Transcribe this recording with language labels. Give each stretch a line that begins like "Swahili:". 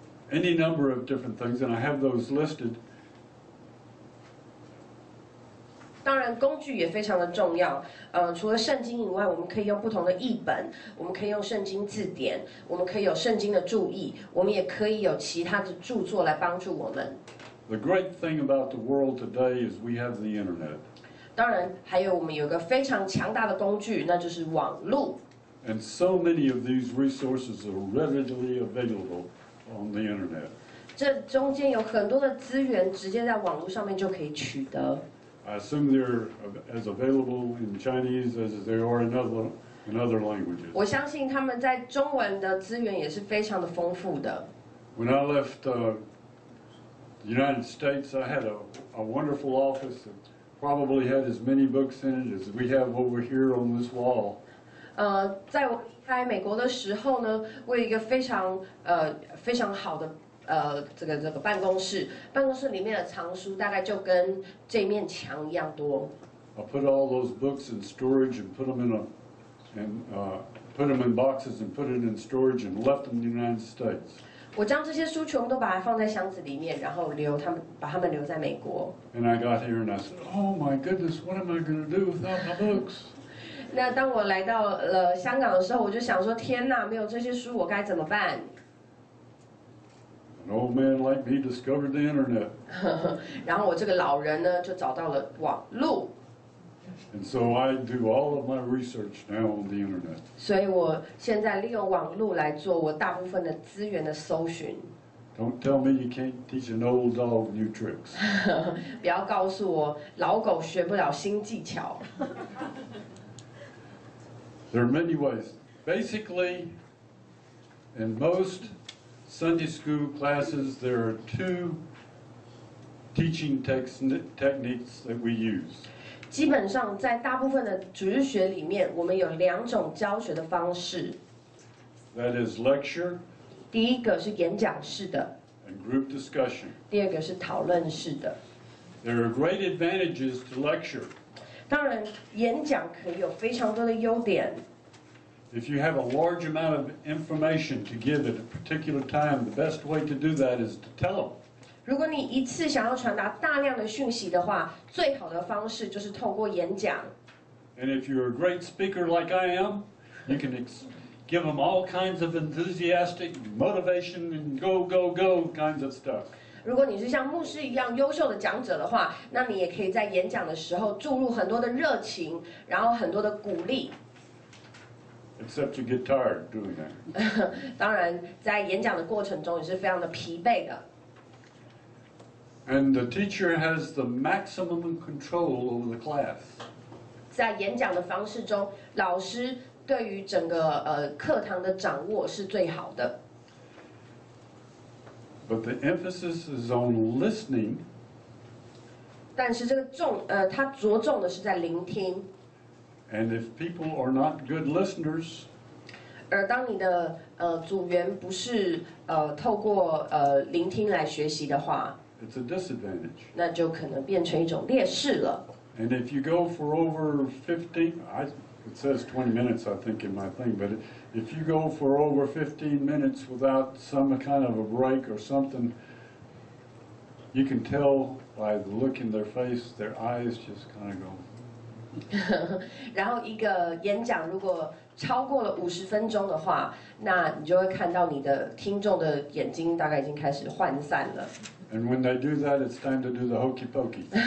English: Any number of different things, and I have those listed.
Chinese: 当然工具也非常的重要，除了圣经以外，我们可以用不同的译本，我们可以用圣经字典，我们可以有圣经的注意，我们也可以有其他的著作来帮助我们。
English: The great thing about the world today is we have the internet.
Chinese: 当然还有我们有一个非常强大的工具，那就是网路。
English: And so many of these resources are readily available on the internet.
Chinese: 这中间有很多的资源直接在网路上面就可以取得。
English: I assume they're as available in Chinese as they are in other languages.
Chinese: 我相信他们在中文的资源也是非常的丰富的。
English: When I left the United States, I had a wonderful office that probably had as many books in it as we have over here on this wall.
Chinese: 在我离开美国的时候呢，我有一个非常非常好的。这个办公室，办公室里面的藏书大概就跟这面墙一样多。
English: I put all those books in storage and put them in boxes and put it in storage and left them in the United States.
Chinese: 我将这些书全部都把它放在箱子里面，然后把它们留在美国。
English: And I got here and I said, Oh my goodness, what am I going to do without my books?
Chinese: 那当我来到了香港的时候，我就想说，天哪，没有这些书，我该怎么办？
English: An old man like me discovered the internet.
Chinese: 然后我这个老人呢，就找到了网路。
English: And so I do all of my research now on the internet.
Chinese: 所以我现在利用网络来做我大部分的资源的搜寻。
English: Don't tell me you can't teach an old dog new tricks.
Chinese: 不要告诉我老狗学不了新技巧。
English: There are many ways. Basically, in most Sunday school classes, there are two teaching techniques that we use.
Chinese: 基本上在大部分的主日学里面，我们有两种教学的方式。
English: That is lecture.
Chinese: 第一个是演讲式的。
English: And group discussion.
Chinese: 第二个是讨论式的。
English: There are great advantages to lecture.
Chinese: 当然，演讲可以有非常多的优点。
English: If you have a large amount of information to give at a particular time, the best way to do that is to tell them.
Chinese: 如果你一次想要传达大量的讯息的话，最好的方式就是透过演讲。
English: And if you're a great speaker like I am, you can give them all kinds of enthusiastic motivation and go, go, go kinds of stuff.
Chinese: 如果你是像牧师一样优秀的讲者的话，那你也可以在演讲的时候注入很多的热情，然后很多的鼓励。
English: Except you get tired doing that.
Chinese: 当然，在演讲的过程中也是非常的疲惫的。
English: And the teacher has the maximum control over the class.
Chinese: 在演讲的方式中，老师对于整个课堂的掌握是最好的。
English: But the emphasis is on listening.
Chinese: 但是这个他着重的是在聆听。
English: And if people are not good listeners,
Chinese: 而当你的组员不是透过聆听来学习的话，
English: it's a disadvantage.
Chinese: 那就可能变成一种劣势了。
English: And if you go for over 15, it says 20 minutes, I think, in my thing, but if you go for over 15 minutes without some kind of a break or something, you can tell by the look in their face, their eyes just kind of go.
Chinese: 然后一个演讲如果超过了50分钟的话，那你就会看到你的听众的眼睛大概已经开始涣散了。
English: And when they do that, it's time to do the hokey pokey.